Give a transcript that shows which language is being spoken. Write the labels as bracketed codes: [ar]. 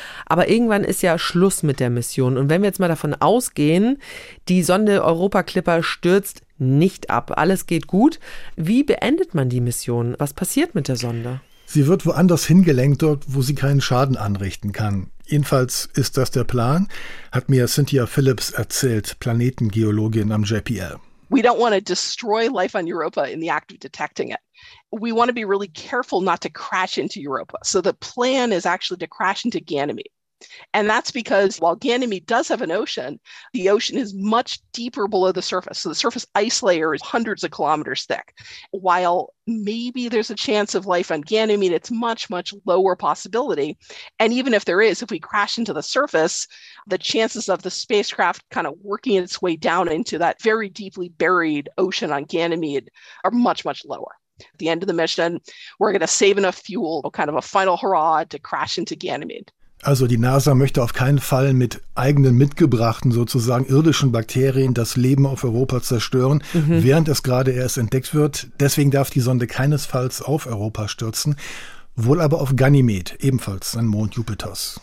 [de] Aber irgendwann ist ja Schluss mit der Mission. Und wenn wir jetzt mal davon ausgehen, die Sonde Europa Clipper stürzt nicht ab, alles geht gut. Wie beendet man die Mission? Was passiert mit der Sonde? Sie wird woanders hingelenkt, dort, wo sie keinen Schaden anrichten kann. Jedenfalls ist das der Plan, hat mir Cynthia Phillips erzählt, Planetengeologin am JPL. [en] We don't want to destroy life on Europa in the act of detecting it. We want to be really careful not to crash into Europa. So the plan is actually to crash into Ganymede. And that's because while Ganymede does have an ocean, the ocean is much deeper below the surface. So the surface ice layer is hundreds of kilometers thick. While maybe there's a chance of life on Ganymede, it's much, much lower possibility. And even if there is, if we crash into the surface, the chances of the spacecraft kind of working its way down into that very deeply buried ocean on Ganymede are much, much lower. At the end of the mission, we're going to save enough fuel, kind of a final hurrah, to crash into Ganymede. [de] Also die NASA möchte auf keinen Fall mit eigenen mitgebrachten sozusagen irdischen Bakterien das Leben auf Europa zerstören, während es gerade erst entdeckt wird. Deswegen darf die Sonde keinesfalls auf Europa stürzen, wohl aber auf Ganymede, ebenfalls ein Mond Jupiters.